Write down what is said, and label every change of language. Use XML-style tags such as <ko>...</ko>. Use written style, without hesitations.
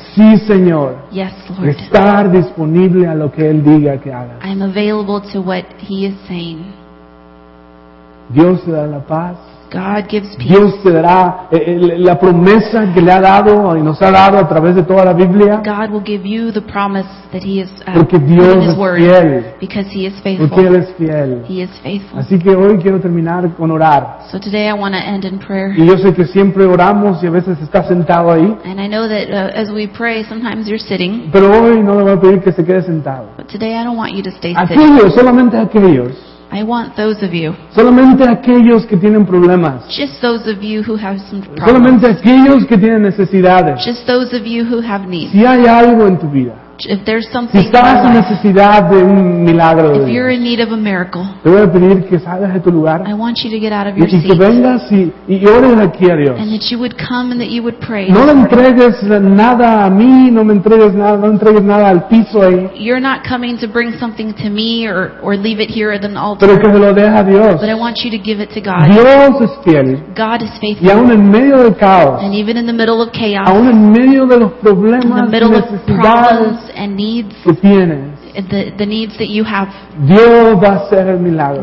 <es>Sí, Señor.</es> <en>Yes, Lord.</en> <es>Estar disponible a lo que Él diga que hagas.</es> <en>I'm available to what He is saying.</en> <es>Dios te da la paz.</es> <en>God gives peace.</en> <es>Dios te dará la promesa que le ha dado y nos ha dado a través de toda la Biblia.</es> <en>God will give you the promise that He is</en> <es>porque Dios</es> <en>in His word</en> <es>es fiel.</es> <en>Because He is faithful.</en> <es>Porque Él es fiel.</es> <en>He is faithful.</en> <es>Así que hoy quiero terminar con orar.</es> <en>So today I want to end in prayer.</en> <es>Y yo sé que siempre oramos y a veces estás sentado ahí.</es> <en>And I know that as we pray, sometimes you're sitting.</en> <es>Pero hoy no le voy a pedir que se quede sentado.</es> <en>But today I don't want you to stay sitting.</en> <es>Aquellos, solamente aquellos.</es> <en>I want those of you.</en> <es>Solamente aquellos que tienen problemas.</es> <en>Just those of you who have some problems.</en> <es>Solamente aquellos que tienen necesidades.</es> <en>Just those of you who have needs.</en> <es>Si hay algo en tu vida.</es> <en>If there's something.</en> <es>Si estás en necesidad de un milagro.</es> <en>If you're in need of a miracle.</en> <es>Te voy a pedir que salgas de tu lugar.</es> <en>I want you to get out of your seat.</en> <es>Y que vengas y ores aquí a Dios.</es> <en>And that you would come and that you would pray.</en> <es>No le entregues nada a mí, no me entregues nada, no entregues nada al piso ahí.</es> <en>You're not coming to bring something to me or leave it here at an altar.</en> <es>Pero que se lo deje a Dios.</es> <en>But I want you to give it to God.</en> <es>Dios es fiel.</es> <en>God is faithful.</en> <es>Y aún en medio del caos.</es> <en>And even in the middle of chaos.</en> <es>Aún en medio de los problemas,</es> <en>in the middle</en> <es>y necesidades.</es> <en>And needs</en> <es>que tienes,</es> <en>the needs that you have.</en> <es>Dios va a hacer el milagro.</es>